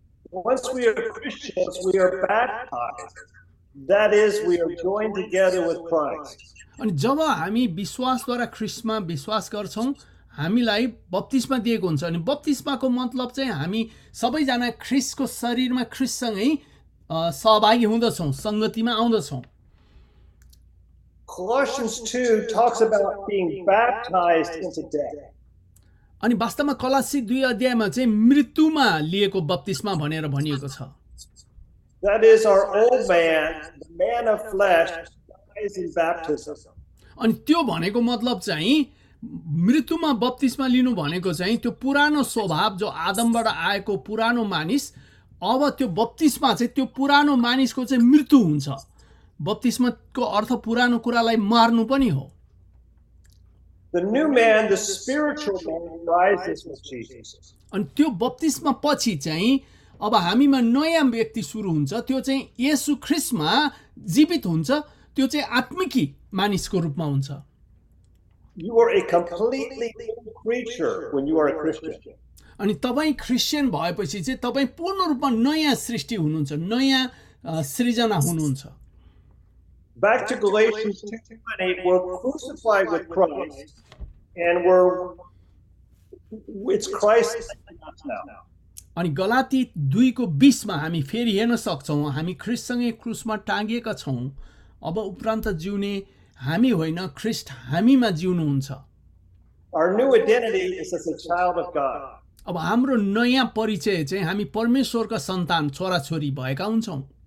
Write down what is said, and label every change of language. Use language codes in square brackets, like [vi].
[en] Once we are Christians, we are baptized. That is, we are joined together with Christ. [ne] अनि जब हामी विश्वासद्वारा ख्रीष्टमा विश्वास गर्छौँ हामीलाई बप्तिस्मा दिएको हुन्छ अनि बप्तिस्माको मतलब चाहिँ हामी सबैजना ख्रीष्टको शरीरमा ख्रीष्टसँगै सहभागी हुँदछौँ सङ्गतिमा आउँदछौँ [en] Colossians 2 talks about being baptized into death. [ne] अनि वास्तवमा कलासी 2 अध्यायमा चाहिँ मृत्युमा लिएको बप्तिस्मा भनेर भनिएको छ [en] That is our old man, the man of flesh, dies in baptism. [ne] अनि त्यो भनेको मतलब चाहिँ मृत्युमा बप्तिस्मा लिनु भनेको चाहिँ त्यो पुरानो स्वभाव जो आदमबाट आएको पुरानो मानिस अब त्यो बप्तिस्मा चाहिँ त्यो पुरानो मानिसको चाहिँ मृत्यु हुन्छ बप्तिस्माको अर्थ पुरानो कुरालाई मार्नु पनि हो [en] The new man, the spiritual man, rises with Jesus. [ne] अनि त्यो बप्तिस्मा पछि चाहिँ अब हामीमा नयाँ व्यक्ति सुरु हुन्छ त्यो चाहिँ येशु ख्रीष्टमा जीवित हुन्छ त्यो चाहिँ आत्मिकी मानिसको रूपमा हुन्छ [en] You are a completely new creature when you are a Christian. [ne] अनि तपाईँ क्रिस्चियन भएपछि चाहिँ तपाईँ पूर्ण रूपमा नयाँ सृष्टि हुनुहुन्छ नयाँ सृजना हुनुहुन्छ [en] Back to Galatians 2:28, we're crucified with Christ, and it's Christ now. [ne] अनि गलाती 2:20 हामी फेरि हेर्न सक्छौँ हामी ख्रीष्टसँगै क्रुसमा टाँगिएका छौँ अब उपरान्त जिउने हामी होइन ख्रीष्ट हामीमा जिउनुहुन्छ [en] Our new identity is as a child of God. [ne] अब हाम्रो नयाँ परिचय चाहिँ हामी परमेश्वरका सन्तान छोराछोरी भएका हुन्छौँ